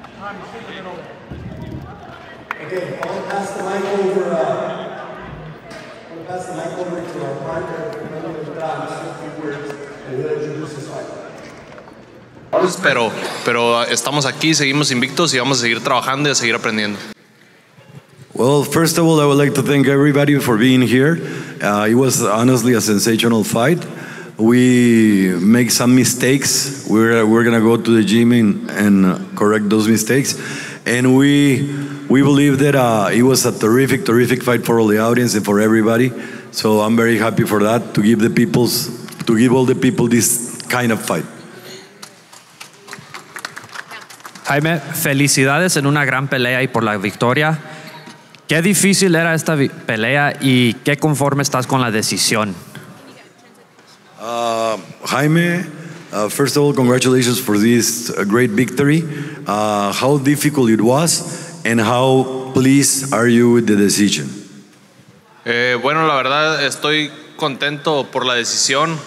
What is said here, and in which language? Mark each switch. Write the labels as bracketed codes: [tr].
[en] Okay, I'll pass the mic over. pass the mic over to our partner, Mr. Dan, just a few words, and he'll introduce his fight. [es] Pero estamos aquí, seguimos invictos y vamos a seguir trabajando y a seguir aprendiendo. [en] Well, first of all, I would like to thank everybody for being here. It was honestly a sensational fight. We make some mistakes. We're going to go to the gym and correct those mistakes. And we believe that it was a terrific, terrific fight for all the audience and for everybody. So I'm very happy for that, to give all the people this kind of fight. [es] Jaime, felicidades en una gran pelea y por la victoria. ¿Qué difícil era esta pelea y qué conforme estás con la decisión? [en] Jaime, first of all, congratulations for this great victory. How difficult it was and how pleased are you with the decision? [es] Bueno, la verdad, estoy contento por la decisión.